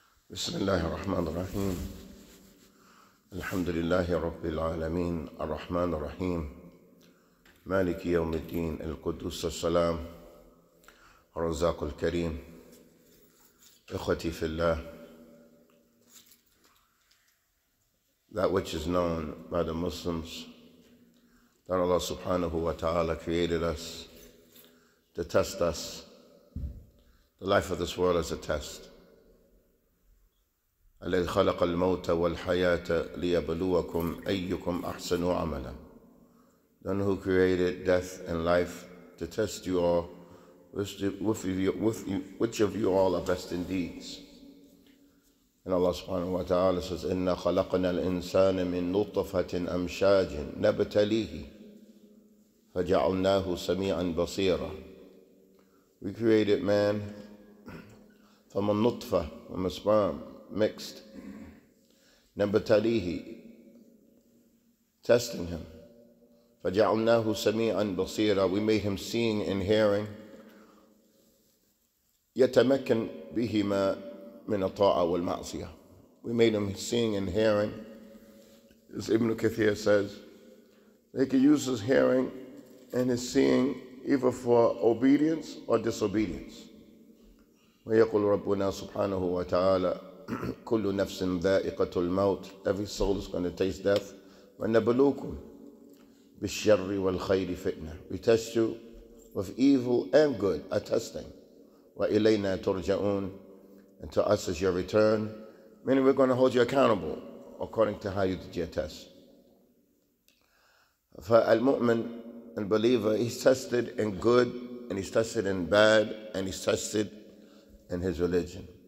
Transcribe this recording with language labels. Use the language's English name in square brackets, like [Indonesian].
[Arabic] بسم الله الرحمن الرحيم الحمد لله رب العالمين الرحمن الرحيم مالك يوم الدين القدوس السلام الرزاق الكريم إخوتي في الله. [English] That which is known by the Muslims, that Allah subhanahu wa ta'ala created us to test us. The life of this world is a test. [Arabic] الَّذِي خَلَقَ الْمَوْتَ وَالْحَيَاةَ لِيَبْلُوَكُمْ أَيُّكُمْ أَحْسَنُ عَمَلًا. [English] Then who created death and life to test you all, which of you all are best in deeds? And Allah subhanahu wa ta'ala says, [Arabic] إِنَّ خَلَقْنَا الْإِنسَانَ مِن نُطْفَةٍ أَمْشَاجٍ نَبْتَلِيهِ فَجَعَلْنَاهُ سَمِيعًا بَصِيرًا. [English] We created man from a nutfa, from a sperm, mixed. [Arabic] نَبْتَلِيهِ, [English] testing him. [Arabic] فَجَعَلْنَاهُ سَمِيعًا بَصِيرًا. [English] We made him seeing and hearing. [Arabic] يَتَمَكَّن بِهِمَا من الطاعة والمعصية. [English] We made him seeing and hearing. As Ibn Kathir says, they can use his hearing and his seeing either for obedience or disobedience. [Arabic] ويقول ربنا سبحانه وتعالى كل نفس ذائقة الموت. [English] Every soul is going to taste death. [Arabic] ونبلوكم بالشر والخير فتنة. [English] We test you with evil and good, a testing. [Arabic] وإلينا ترجعون. [English] And to us is your return, meaning we're going to hold you accountable according to how you did your test. [Arabic] فالمؤمن, [English] the believer, he's tested in good, and he's tested in bad, and he's tested in his religion.